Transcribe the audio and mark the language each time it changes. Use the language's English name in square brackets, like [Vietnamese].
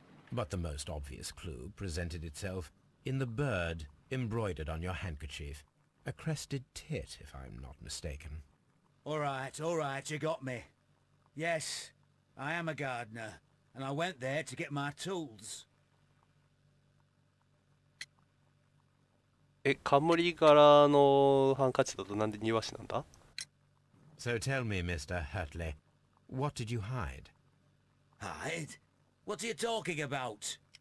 [English] But the most obvious clue presented itself in the bird embroidered on your handkerchief. A crested tit, if I'm not mistaken. All right, you got me. Yes, I am a gardener, and I went there to get my tools. [Japanese] カムリ柄のハンカチだとなんで庭師なんだ? [English] So tell me, Mr. Hartley, what did you hide? Hide? What are you talking about?